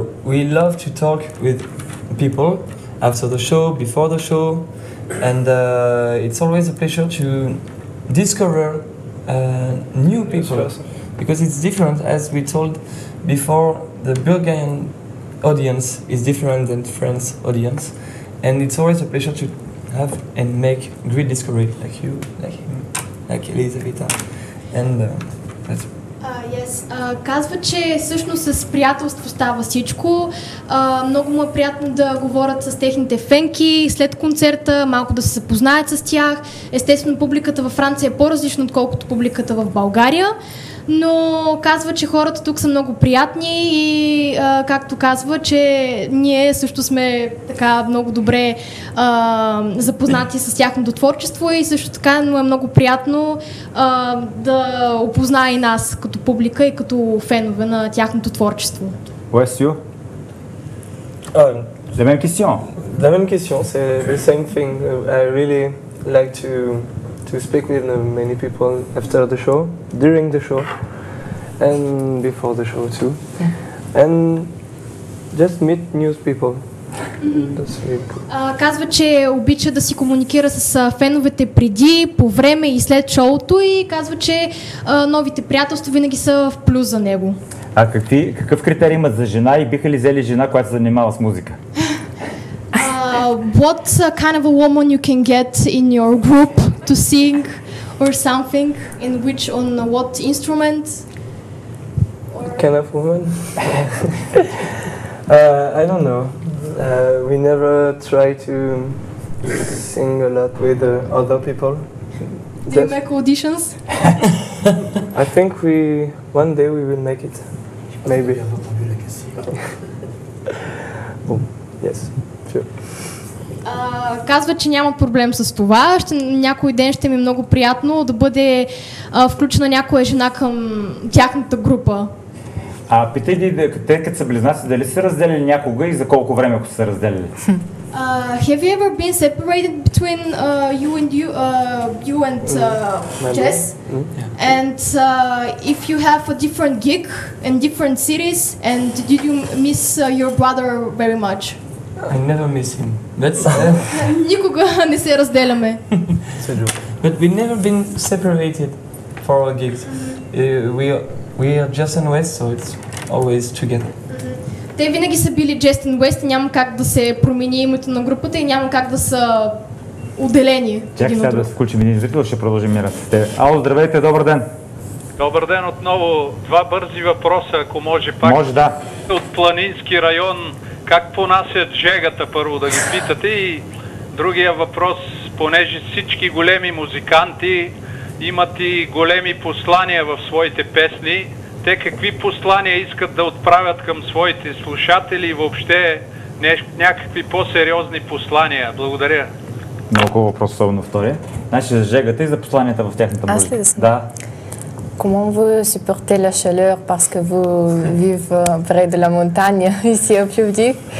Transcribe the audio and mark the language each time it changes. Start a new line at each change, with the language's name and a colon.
English: We love to talk with people after the show, before the show, and it's always a pleasure to discover new people, because it's different, as we told before, the Bulgarian audience is different than French audience, and it's always a pleasure to have and make great discovery, like you, like him, like Elisaveta, and that's Yes.
Bulgarian: Казва, че всъщност с приятелство става всичко. Много му е приятно да говорят с техните фенки след концерта, малко да се запознаят с тях. Естествено, публиката във Франция е по-различна, отколкото публиката в България. Но казва, че хората тук са много приятни и както казва, че ние също сме така много добре запознати с тяхното творчество и също така му е много приятно да опознае и нас като публика и като фенове на тяхното творчество. Уесио?
English: The
French: même question.
English: The
French: même question, c'est
English: the same thing. I really like to speak with many people after the show, during the show, and before the show too, and just meet new people.
Bulgarian: Казва, че обича да си комуникира с феновете преди, по време и след шоуто и казва, че новите приятелства винаги са в плюс за него. А какъв критерий има за жена и биха ли взели жена, която се занимава с музика?
English: What kind of a woman you can get in your group to sing or something? In which, on what instrument? What kind of woman? I don't know. We never try to sing a lot with other people. Do you make auditions? I think one day we will make it. Maybe. Yes, sure.
Bulgarian: Казва, че няма проблем с това. Някой ден ще ми е много приятно да бъде включена някоя жена към тяхната група. А питай ли, те като са близнаци, дали са разделили някога и за колко време, ако са разделили?
English: Have you ever been separated between you and Jess? And if you have a different gig in different cities, and did you miss your brother very much? I never miss him.
Bulgarian: Никога не се разделяме.
English: But we never been separated for our gigs. Mm-hmm. We are Jess and West, so it's always together. Mm-hmm.
Bulgarian: Те винаги са били Jess and West, няма как да се промени името на групата и няма как да са отделени. Чакай сега да включим един зрител, ще продължим мира. Ало, здравейте, добър ден! Добър ден отново. Два бързи въпроса, ако може пак. Може, да. От планински район. Как понасят жегата, първо да ги питате, и другия въпрос, понеже всички големи музиканти имат и големи послания в своите песни, те какви послания искат да отправят към своите слушатели и въобще някакви по-сериозни послания? Благодаря. Много въпрос, особено втория. Значи за жегата и за посланията в тяхната музика. Аз ли да съм? Да.
French: Comment vous supportez la chaleur parce que vous vivez près de la montagne ici à Plovdiv?